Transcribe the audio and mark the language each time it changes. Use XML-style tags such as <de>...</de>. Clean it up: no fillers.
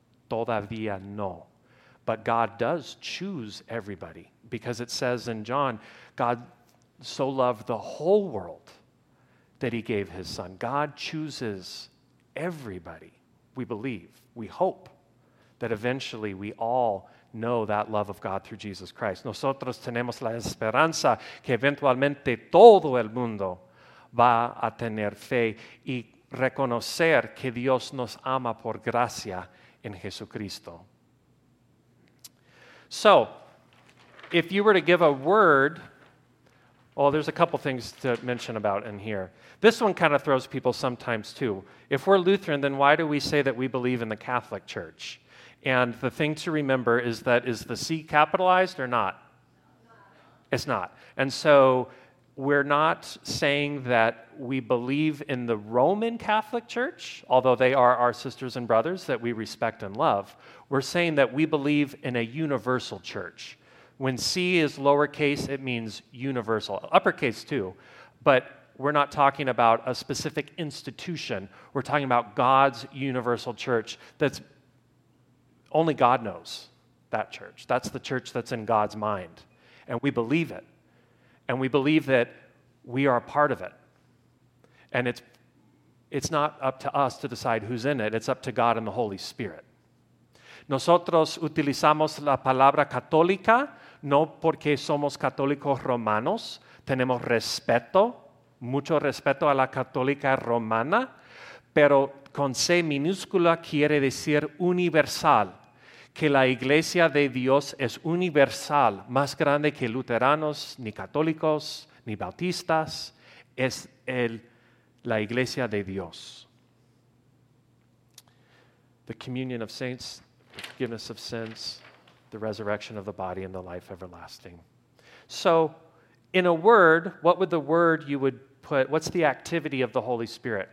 <es>Todavía no.</es> <en>But God does choose everybody, because it says in John, God so loved the whole world that he gave his son. God chooses everybody. We believe, we hope that eventually we all know that love of God through Jesus Christ. Nosotros tenemos la esperanza que eventualmente todo el mundo va a tener fe y reconocer que Dios nos ama por gracia en Jesucristo. So, if you were to give a word, well, there's a couple things to mention about in here. This one kind of throws people sometimes too. If we're Lutheran, then why do we say that we believe in the Catholic Church? And the thing to remember is that, is the C capitalized or not? It's not. And so we're not saying that we believe in the Roman Catholic Church, although they are our sisters and brothers that we respect and love. We're saying that we believe in a universal church. When C is lowercase, it means universal. Uppercase too, but we're not talking about a specific institution. We're talking about God's universal church that's only God knows that church. That's the church that's in God's mind. And we believe it. And we believe that we are a part of it. And it's not up to us to decide who's in it. It's up to God and the Holy Spirit.</en> <es>Nosotros utilizamos la palabra católica no porque somos católicos romanos. Tenemos respeto, mucho respeto a la católica romana. Pero con C minúscula quiere decir universal. Que la iglesia de Dios es universal, más grande que luteranos, ni católicos, ni bautistas, es la iglesia de Dios.</es> <en>The communion of saints, the forgiveness of sins, the resurrection of the body, and the life everlasting. So, in a word, what would the word you would put, what's the activity of the Holy Spirit?</en>